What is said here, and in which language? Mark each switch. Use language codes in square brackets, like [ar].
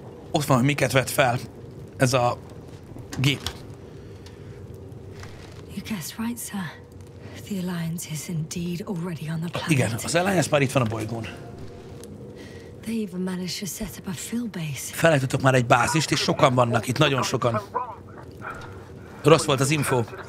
[hu] Ott van, hogy miket vett fel ez a gép. [en] You guess right, sir. The Alliance is indeed already on the planet. [hu] Igen, az Alliance már itt van a bolygón. [en] They even managed to set up a field base. [hu] Felállítottak már egy bázist, és sokan vannak itt, nagyon sokan. Rossz volt az info.